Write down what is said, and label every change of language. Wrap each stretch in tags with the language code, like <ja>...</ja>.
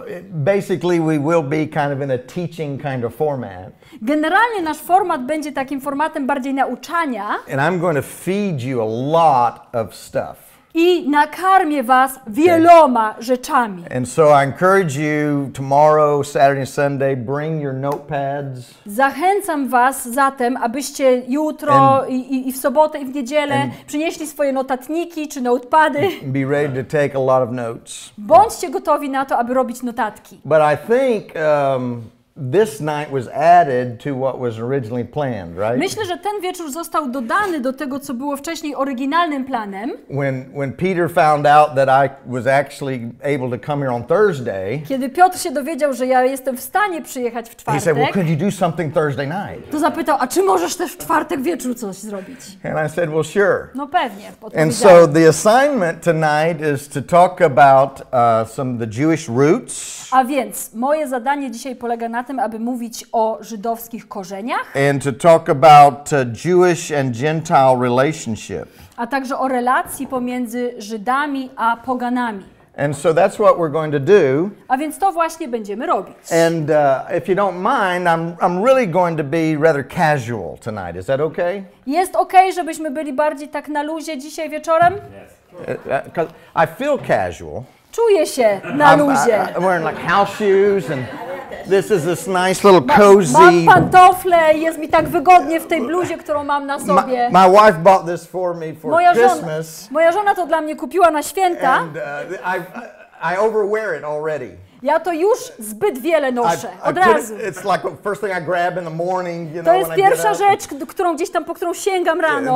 <en>Basically we will be kind of in a teaching kind of format.</en> <pl>Generalnie nasz format będzie takim formatem bardziej nauczania.</pl> <en>And I'm going to feed you a lot of stuff.</en> <pl>I nakarmię was wieloma rzeczami.</pl> <en>And so I encourage you tomorrow, Saturday, Sunday, bring your notepads.</en> <pl>Zachęcam was zatem, abyście jutro i w sobotę i w niedzielę przynieśli swoje notatniki czy notepady.</pl> <en>Be ready to take a lot of notes.</en> <pl>Bądźcie gotowi na to, aby robić notatki.</pl> <en>But I think this night was added to what was originally planned, right?</en> <pl>Myślę, że ten wieczór został dodany do tego, co było wcześniej oryginalnym planem.</pl> <en>When Peter found out that I was actually able to come here on Thursday,</en> <pl>kiedy Piotr się dowiedział, że ja jestem w stanie przyjechać w czwartek,</pl> <en>he said, "Well, could you do something Thursday night?"</en> <pl>To zapytał, a czy możesz też w czwartek wieczór coś zrobić?</pl> <en>And I said, "Well, sure."</en> <pl>No pewnie.</pl> <en>And so the assignment tonight is to talk about some of the Jewish roots.</en> <pl>A więc moje zadanie dzisiaj polega na tym, aby mówić o żydowskich korzeniach.</pl> <en>And to talk about Jewish and Gentile relationship.</en> <pl>A także o relacji pomiędzy Żydami a poganami.</pl> <en>And so that's what we're going to do.</en> <pl>A więc to właśnie będziemy robić.</pl> <en>And if you don't mind, I'm really going to be rather casual tonight. Is that okay?</en> <pl>Jest okay, żebyśmy byli bardziej tak na luzie dzisiaj wieczorem?</pl> <en>Yes. I feel casual.</en> <pl>Czuję się na luzie.</pl> <en>I'm wearing like house shoes and this is this nice little cozy.</en> <pl>Mam pantofle, jest mi tak wygodnie w tej bluzie, którą mam na sobie.</pl> <en>My wife bought this for me for Christmas.</en> <pl>Moja żona to dla mnie kupiła na święta.</pl> <en>And I overwear it already.</en> <pl>Ja to już zbyt wiele noszę, od razu.</pl> <en>It's like the first thing I grab in the morning, you know.</en> <pl>To jest pierwsza rzecz, którą gdzieś tam, po którą sięgam rano.</pl>